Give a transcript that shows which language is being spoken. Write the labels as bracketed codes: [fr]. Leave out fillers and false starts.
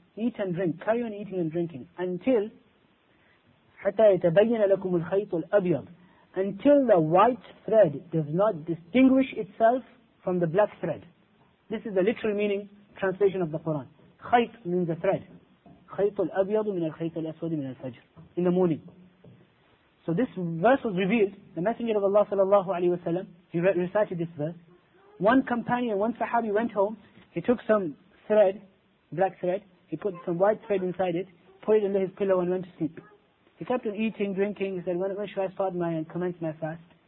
[en] Eat and drink, carry on eating and drinking until [ar] حَتَّى يَتَبَيِّنَ لَكُمُ الْخَيْطُ الْأَبْيَضُ, [en] until the white thread does not distinguish itself from the black thread. This is the literal meaning translation of the Quran. خَيْط means a thread. [ar] خَيْطُ الْأَبْيَضُ مِنَ الْخَيْطِ الْأَسْوَدِ مِنَ الْفَجْرِ, [en] in the morning. So this verse was revealed, the Messenger of Allah sallallahu alayhi wa sallam, he recited this verse. One companion, one sahabi went home, he took some thread, black thread, he put some white thread inside it, put it under his pillow and went to sleep. He kept on eating, drinking, he said, when should I start my and commence my fast?